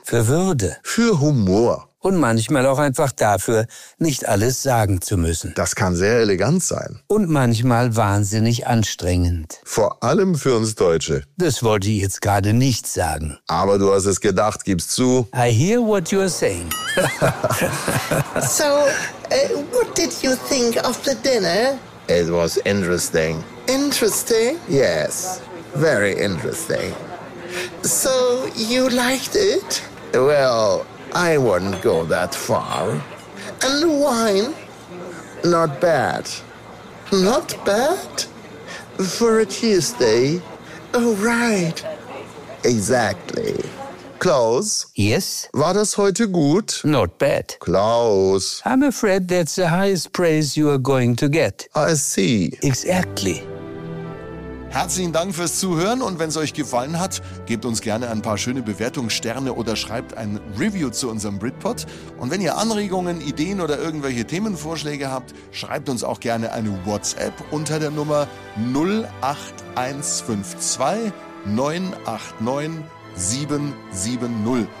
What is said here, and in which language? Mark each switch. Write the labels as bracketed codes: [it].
[de] Für Würde. Für Humor. Und manchmal auch einfach dafür, nicht alles sagen zu müssen. Das kann sehr elegant sein. Und manchmal wahnsinnig anstrengend. Vor allem für uns Deutsche. Das wollte ich jetzt gerade nicht sagen. Aber du hast es gedacht, gib's zu. [en] I hear what you're saying. So, what did you think of the dinner? It was interesting. Interesting? Yes, very interesting. So, you liked it? Well, I wouldn't go that far. And the wine? Not bad. Not bad? For a Tuesday? Oh, right. Exactly. Klaus? Yes? [de] War das heute gut? [en] Not bad. Klaus? I'm afraid that's the highest praise you are going to get. I see. Exactly. [de] Herzlichen Dank fürs Zuhören und wenn es euch gefallen hat, gebt uns gerne ein paar schöne Bewertungssterne oder schreibt ein Review zu unserem Britpod. Und wenn ihr Anregungen, Ideen oder irgendwelche Themenvorschläge habt, schreibt uns auch gerne eine WhatsApp unter der Nummer 08152 989 770.